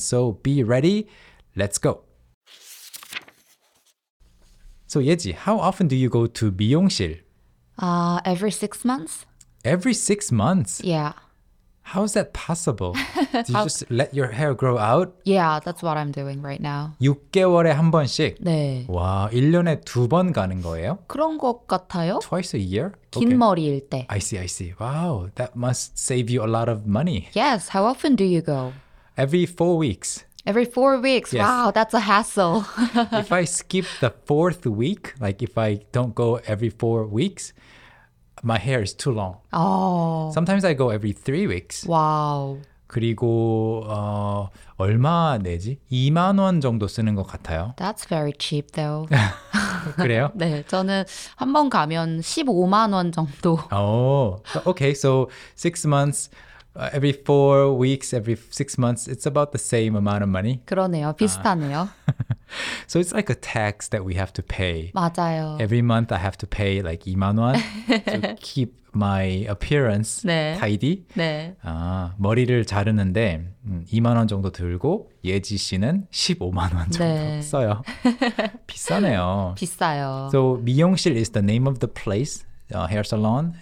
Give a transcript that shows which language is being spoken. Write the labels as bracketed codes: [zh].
[en] So be ready. Let's go. So Yeji, how often do you go to 미용실? Every 6 months. Every 6 months? Yeah. How is that possible? Do you just let your hair grow out? Yeah, that's what I'm doing right now. [ko] 6개월에 한 번씩? 네. 와, 1년에 두 번 가는 거예요? 그런 것 같아요. [en] Twice a year? [ko] 긴 okay. 머리일 때. [en] I see. Wow, that must save you a lot of money. Yes, how often do you go? Every four weeks? Yes. Wow, that's a hassle. If I skip the fourth week, like if I don't go every 4 weeks, my hair is too long. Oh. Sometimes I go every 3 weeks. Wow. [ko] 그리고 얼마 내지? 2만 원 정도 쓰는 것 같아요. [en] That's very cheap though. [ko] 그래요? 네, 저는 한 번 가면 15만 원 정도. [en] Oh. Okay, so 6 months, every 4 weeks, every 6 months, it's about the same amount of money. [ko] 그러네요, 비슷하네요. [en] So it's like a tax that we have to pay. [ko] 맞아요. [en] Every month I have to pay like 2만 원 to keep my appearance [ko] 네. [en] tidy. [ko] 네. 아, 머리를 자르는데 2만 원 정도 들고 예지 씨는 15만 원 정도 네. 써요. 비싸네요. 비싸요. [en] So 미용실 is the name of the place, hair salon.